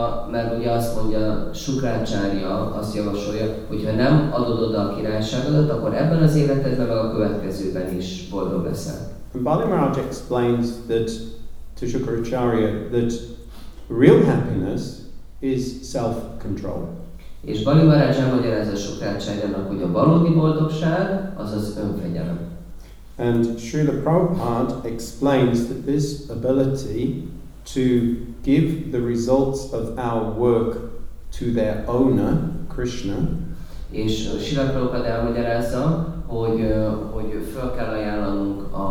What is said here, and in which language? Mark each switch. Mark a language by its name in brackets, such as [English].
[Hungarian] Mert ugye azt mondja Shukracharya, azt javasolja, hogyha nem adod oda a királyságodat, akkor ebben az életedben meg a következőben is boldog leszel. [English] And Bali Maharaj explains that to Shukracharya that real happiness is self-control. [Hungarian] És Bali Maharaj elmagyarázza Shukracharyának, hogy a valódi boldogság az az önfegyelem. [English] And Srila Prabhupada explains that this ability to give the results of our work to their owner, Krishna. [Hungarian] És Srila Prabhupada elmagyarázza, hogy föl kell ajánlanunk